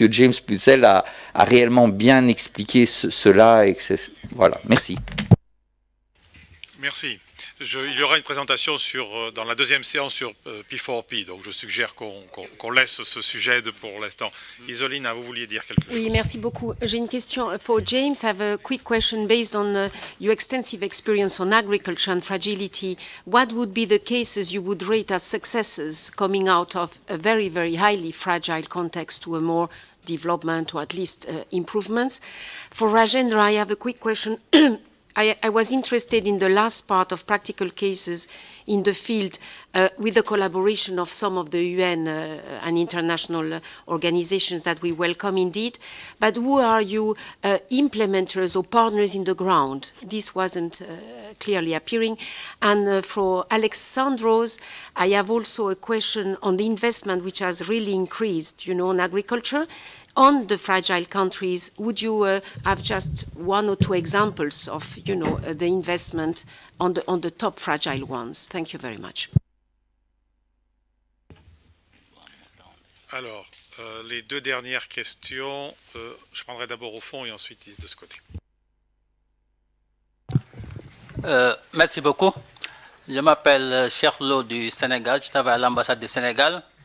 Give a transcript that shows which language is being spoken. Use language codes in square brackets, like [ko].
[fr] James Puzzel a réellement bien expliqué cela. Et que voilà, merci. Merci. Il y aura une présentation dans la deuxième séance sur P4P, donc je suggère qu'on laisse ce sujet pour l'instant. Isolina, vous vouliez dire quelque chose? Oui, merci beaucoup. J'ai une question [en] for James. I have a quick question based on your extensive experience on agriculture and fragility. What would be the cases you would rate as successes coming out of a very, very highly fragile context to a more development or at least improvements? For Rajendra, I have a quick question. I was interested in the last part of practical cases in the field with the collaboration of some of the UN and international organizations that we welcome indeed. But who are you implementers or partners in the ground? This wasn't clearly appearing. And for Alexandros, I have also a question on the investment which has really increased, you know, on agriculture. On the fragile countries, would you have just one or two examples of, you know, the investment on the top fragile ones? Thank you very much. [fr] Alors, les deux dernières questions, je prendrai d'abord au fond et ensuite de ce côté. Merci beaucoup. Je m'appelle Cherlo du Sénégal. Je travaille à l'ambassade du Sénégal.